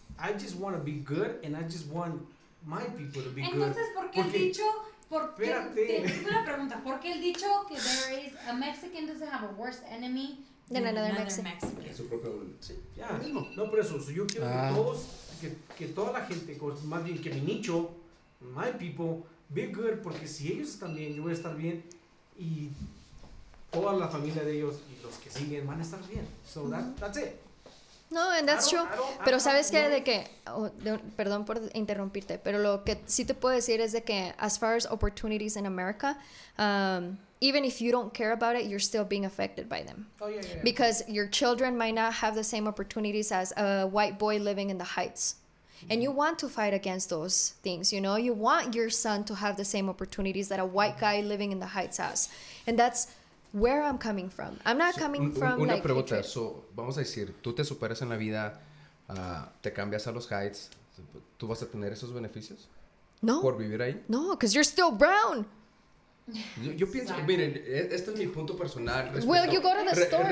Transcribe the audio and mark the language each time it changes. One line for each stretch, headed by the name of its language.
English: I just want to be good, and I just want my people to be
Spanish: good. Entonces, ¿por qué el dicho? ¿Por
English: qué el dicho que there is a Mexican doesn't have a worse enemy than another Mexican?
Spanish: Sí. Yeah. No, por eso. So yo quiero que toda la gente, más bien que mi nicho, my people, be good, porque si ellos están bien, yo voy a estar bien, y toda la familia de ellos y los que siguen van a estar bien.
English: So that's it. No, and that's true. Pero sabes que de que, perdón por interrumpirte, pero lo que sí te puedo decir es de que as far as opportunities in America, even if you don't care about it, you're still being affected by them. Oh, yeah. Because your children might not have the same opportunities as a white boy living in the Heights. And you want to fight against those things, you know? You want your son to have the same opportunities that a white guy living in the Heights has. And that's where I'm coming from. I'm not coming from
Spanish: una
English: like...
Spanish: Una pregunta. So, vamos a decir, tú te superas en la vida, te cambias a los Heights, ¿Tú vas a tener esos beneficios? No. ¿Por vivir ahí?
English: No, because you're still brown.
Spanish: Yo pienso, exactly. Miren, este es mi punto personal.
English: Respeto, well, you go to the store.